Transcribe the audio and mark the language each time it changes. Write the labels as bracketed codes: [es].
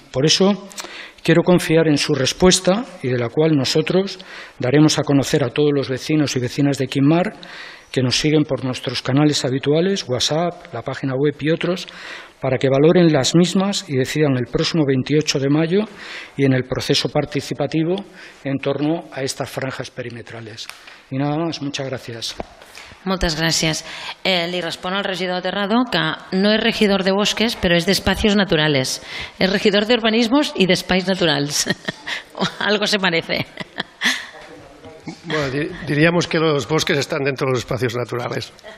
[es] Por eso, quiero confiar en su respuesta y de la cual nosotros daremos a conocer a todos los vecinos y vecinas de Quimmar que nos siguen por nuestros canales habituales, WhatsApp, la página web y otros, para que valoren las mismas y decidan el próximo 28 de mayo y en el proceso participativo en torno a estas franjas perimetrales. Y nada más, muchas gracias. [ca] Moltes gràcies. Li respon el regidor Terrado que no és regidor de bosques, però és d'espacios naturales. És regidor d'urbanismos i d'espais naturals. [es] Algo se parece. Bueno, diríamos que los bosques están dentro de los espacios naturales.